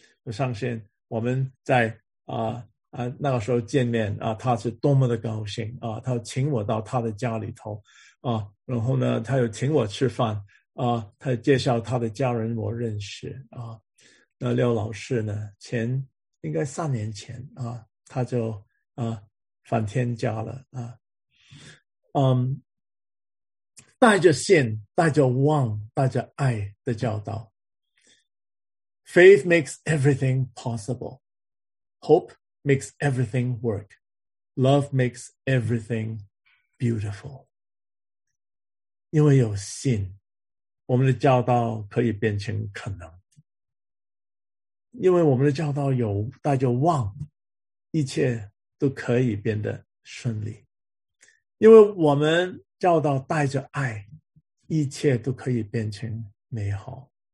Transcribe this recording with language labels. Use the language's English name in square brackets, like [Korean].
[Chinese] 我相信我们在那个时候见面啊，他是多么的高兴啊，他请我到他的家里头啊，然后呢他又请我吃饭啊，他介绍他的家人我认识啊。那廖老师呢，前应该三年前啊，他就返天家了啊。嗯，带着信，带着望，带着爱的教导。 [English] Faith makes everything possible. Hope makes everything work. Love makes everything beautiful. [Chinese] 因为有信，我们的教导可以变成可能。因为我们的教导有带着望，一切都可以变得顺利。因为我们教导带着爱，一切都可以变成美好。